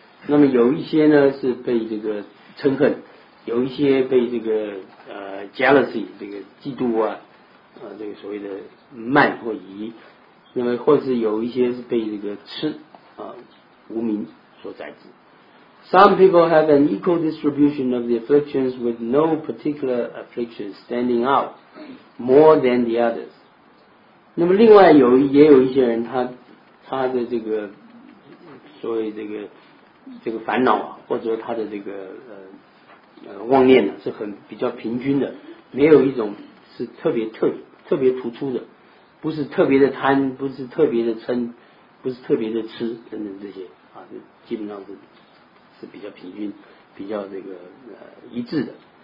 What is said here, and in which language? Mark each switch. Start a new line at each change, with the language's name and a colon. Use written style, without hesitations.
Chinese: 那么有一些呢是被这个嗔恨，有一些被这个
English: jealousy
Chinese: 这个嫉妒啊，这个所谓的慢或疑。那么或是有一些是被这个痴啊无明所宰制。
English: Some people have an equal distribution of the afflictions with no particular affliction standing out more than the others.
Chinese: 那么另外有也有一些人他的这个所谓这个烦恼啊，或者他的这个妄念呢、啊，是很比较平均的，没有一种是特别突出的，不是特别的贪，不是特别的嗔，不是特别的痴等等这些啊，基本上是比较平均，比较这个一致的。